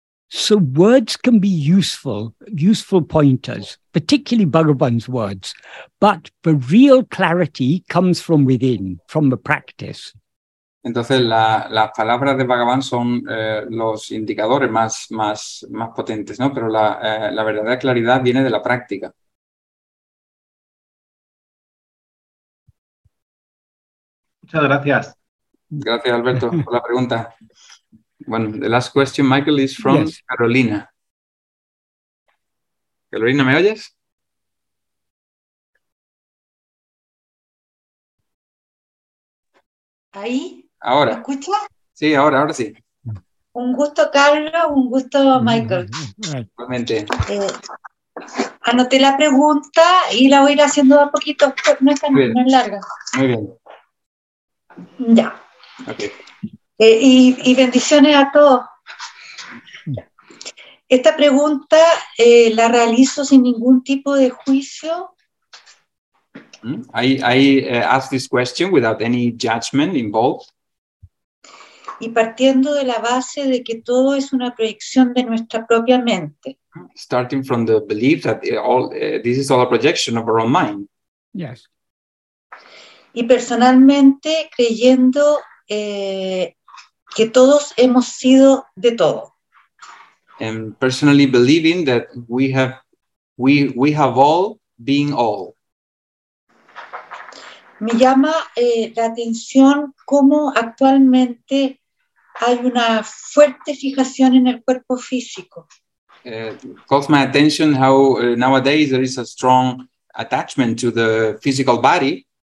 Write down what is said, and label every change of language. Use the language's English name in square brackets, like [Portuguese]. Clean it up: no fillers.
[English] So words can be useful pointers, particularly Bhagavan's words, but the real clarity comes from within, from the practice. [Spanish] Entonces las palabras de Bhagavan son los indicadores más potentes, ¿no? Pero la verdadera claridad viene de la práctica. Muchas gracias. Gracias, Alberto, por la pregunta. [English] Bueno, the last question, Michael, is from yes. [Spanish] Carolina. Carolina, ¿me oyes? ¿Ahí? Ahora. ¿Me escuchas? Sí, ahora sí. Un gusto, Carlos, un gusto, Michael. Igualmente. Anoté la pregunta y la voy a ir haciendo a poquito, no es larga. Muy bien. Ya. Ok. Y bendiciones a todos. Esta pregunta la realizo sin ningún tipo de juicio. [English] I ask this question without any judgment involved. [Spanish] Y partiendo de la base de que todo es una proyección de nuestra propia mente. [English] Starting from the belief that this is all a projection of our own mind. Yes. [Spanish] Y personalmente creyendo que todos hemos sido de todo. [English] And personally believing that we have all been all. [Spanish] Me llama la atención cómo actualmente hay una fuerte fijación en el cuerpo físico. [English] Calls my attention how nowadays there is a strong attachment to the physical body.